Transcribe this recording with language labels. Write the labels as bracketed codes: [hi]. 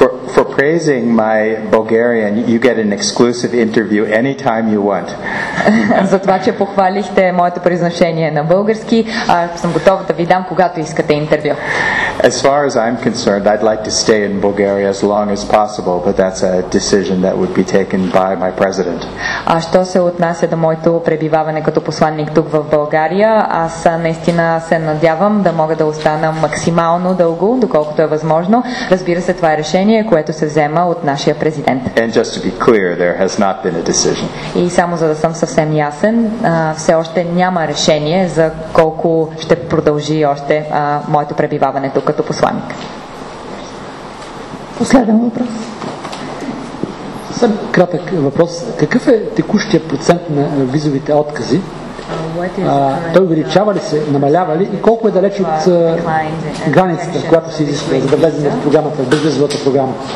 [en] For praising my Bulgarian, you get an exclusive interview anytime you want. [bg] За това, че похвалихте моето произношение на български, съм готов да ви дам когато искате интервю. [en] As far as I'm concerned, I'd like to stay in Bulgaria as long as possible, but that's a decision that would be taken by my president. [bg] А що се отнася до моето пребиваване като посланник тук в България, аз наистина се надявам да мога да остана максимално дълго, доколкото е възможно. Разбира се, това е решение, което се взема от нашия президент. [en] And just to be clear, there has not been a decision. [bg] И само за да съм съвсем ясен, все още няма решение за колко ще продължи още моето пребиваване тук като посланник. Последен въпрос. Съм кратък въпрос. Какъв е текущия процент на визовите откази? Той увеличава ли се, намалява ли и колко е далеч от границата, която се изисква, за да влезем в програмата, в безвизовата програма?